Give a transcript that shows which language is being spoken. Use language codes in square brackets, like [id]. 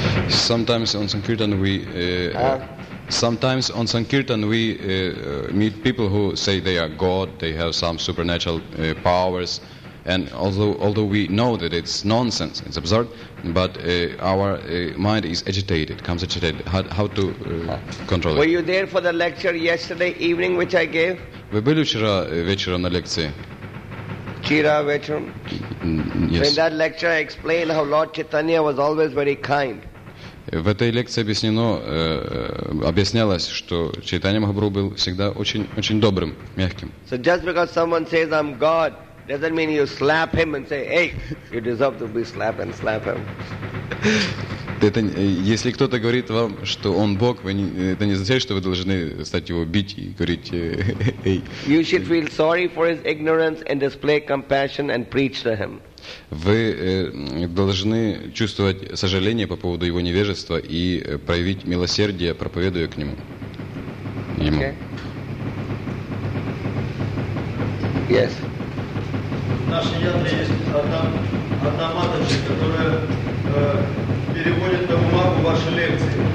[en] Sometimes on Sankirtan we meet people who say they are God, they have some supernatural powers, and although we know that it's nonsense, it's absurd, but our mind is agitated, comes agitated. How to control it? Were you there for the lecture yesterday evening which I gave? [ru] Вы были вчера вечером на лекции? Вчера вечером? [en] Yes. In that lecture I explained how Lord Chaitanya was always very kind. [ru] В этой лекции объяснялось, что Чайтанья Махапрабху был всегда очень, очень добрым, мягким. [en] So just because someone says I'm God, Doesn't mean you slap him and say, "Hey, you deserve to be slapped," and slap him. [ru] Это, если кто-то говорит вам, что он Бог, вы не, это не означает, что вы должны стать его бить и говорить «эй». [en] You should feel sorry for his ignorance and display compassion and preach to him. [ru] Вы должны чувствовать сожаление по поводу его невежества и проявить милосердие, проповедуя к нему. Ему. [en] Okay. Yes. [ru] В нашей ядре есть одна маточка, которая переводит на бумагу ваши лекции.